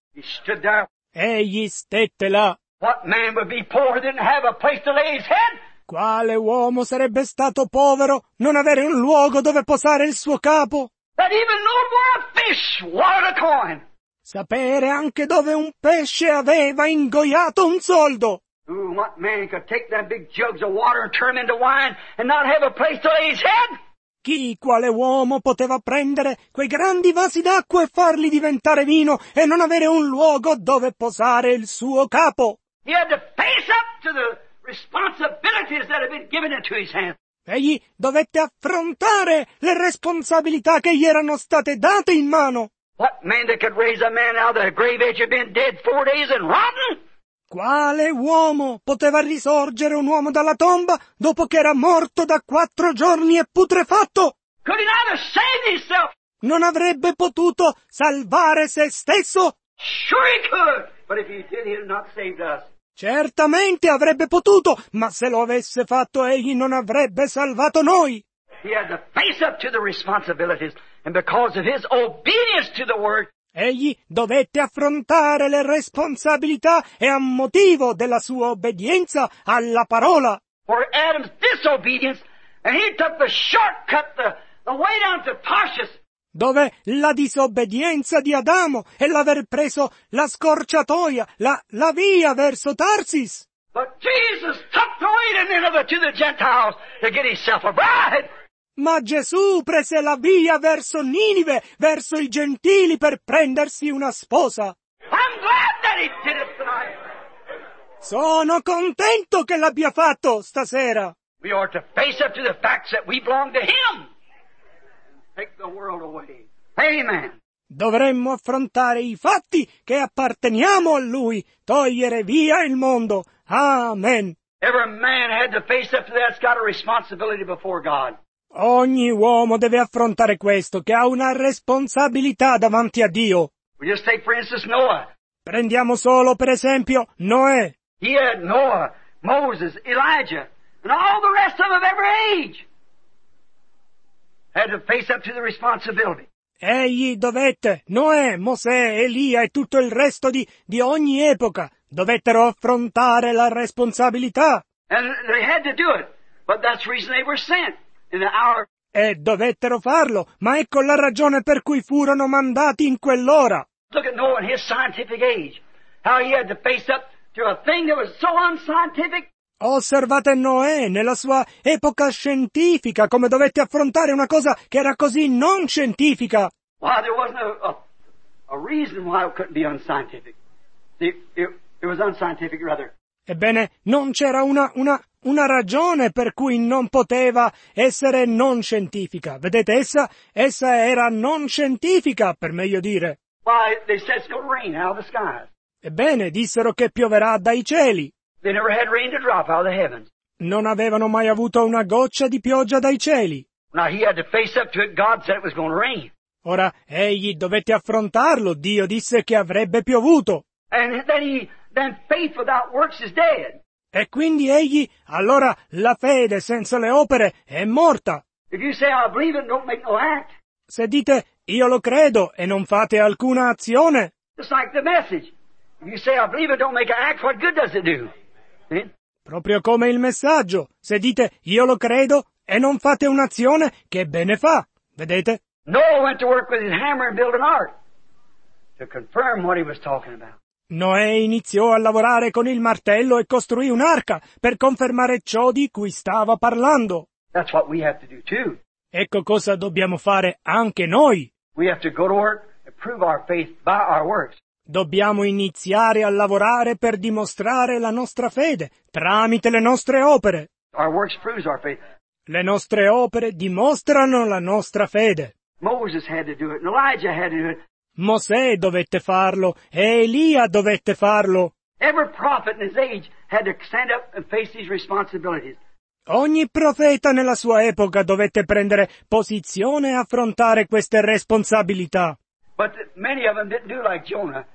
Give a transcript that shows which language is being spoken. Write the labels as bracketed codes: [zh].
[en] He stood there. [it] Egli stette là. [en] What man would be poor than have a place to lay his head? [it] Quale uomo sarebbe stato povero non avere un luogo dove posare il suo capo? [en] That even no more a fish wanted a coin. [it] Sapere anche dove un pesce aveva ingoiato un soldo. [en] Ooh, what man could take that big jugs of water and turn into wine and not have a place to lay his head? [it] Chi, quale uomo poteva prendere quei grandi vasi d'acqua e farli diventare vino e non avere un luogo dove posare il suo capo? [en] He had to face up to the responsibilities that had been given into his hands. [it] Egli dovette affrontare le responsabilità che gli erano state date in mano. [en] What man that could raise a man out of the grave age of being dead 4 days and rotten? [it] Quale uomo poteva risorgere un uomo dalla tomba dopo che era morto da 4 giorni e putrefatto? [en] Could he not have saved himself? [it] Non avrebbe potuto salvare se stesso? [en] Sure he could, but if he did, he'd not saved us. [it] Certamente avrebbe potuto, ma se lo avesse fatto, egli non avrebbe salvato noi. [en] He had to face up to the responsibilities, and because of his obedience to the word, [it] egli dovette affrontare le responsabilità e a motivo della sua obbedienza alla parola. [en] For Adam's disobedience, and he took the shortcut, the way down to Tarsus. [it] Dove la disobbedienza di Adamo e l'aver preso la scorciatoia, la via verso Tarsis. [en] But Jesus took the way to Nineveh to the Gentiles to get himself a bride. [it] Ma Gesù prese la via verso Ninive, verso i gentili, per prendersi una sposa. [en] I'm glad that he did it tonight. [it] Sono contento che l'abbia fatto stasera. [en] We are to face up to the facts that we belong to him. Take the world away. Amen. [it] Dovremmo affrontare i fatti che apparteniamo a lui, togliere via il mondo. Amen. [en] Every man had to face up to that's got a responsibility before God. [it] Ogni uomo deve affrontare questo, che ha una responsabilità davanti a Dio. [en] We just take for instance Noah. [it] Prendiamo solo per esempio Noè. [en] He had Noah, Moses, Elijah, and all the rest of every age. Had to face up to the responsibility. [it] Egli dovette, Noè, Mosè, Elia e tutto il resto di ogni epoca, dovettero affrontare la responsabilità. [en] And they had to do it, but that's the reason they were sent. In the hour. [it] E dovettero farlo, ma ecco la ragione per cui furono mandati in quell'ora. [en] Look at Noah in his scientific age, how he had to face up to a thing that was so unscientific. [it] Osservate Noè nella sua epoca scientifica, come dovette affrontare una cosa che era così non scientifica. [en] Why, there wasn't a reason why it couldn't be unscientific. It was unscientific rather. [it] Ebbene, non c'era una ragione per cui non poteva essere non scientifica. Vedete, essa era non scientifica, per meglio dire. [en] Why, they said it's gonna rain out of the skies. [it] Ebbene, dissero che pioverà dai cieli. [en] They never had rain to drop out of the heavens. [it] Non avevano mai avuto una goccia di pioggia dai cieli. [en] Now he had to face up to it. God said it was gonna rain. [it] Ora egli dovette affrontarlo. Dio disse che avrebbe piovuto. [en] And then faith without works is dead. [it] E quindi egli, allora la fede senza le opere è morta. [en] If you say I believe it, don't make no act. [it] se dite io lo credo e non fate alcuna azione. [en] It's like the message. You say I believe it, don't make an act, what good does it do? [it] Proprio come il messaggio. Se dite io lo credo e non fate un'azione, che bene fa? Vedete? [en] Noah went to work with his hammer and built an ark to confirm what he was talking about. [it] Noè iniziò a lavorare con il martello e costruì un'arca per confermare ciò di cui stava parlando. [en] That's what we have to do too. [it] Ecco cosa dobbiamo fare anche noi. [en] We have to go to work and prove our faith by our works. [it] Dobbiamo iniziare a lavorare per dimostrare la nostra fede tramite le nostre opere. [en] Our works proves our faith. [it] Le nostre opere dimostrano la nostra fede. [en] Moses had to do it, and Elijah had to do it. [it] Mosè dovette farlo e Elia dovette farlo. [en] Every prophet in his age had to stand up and face these responsibilities. [it] Ogni profeta nella sua epoca dovette prendere posizione e affrontare queste responsabilità. [en] But many of them didn't do like Jonah.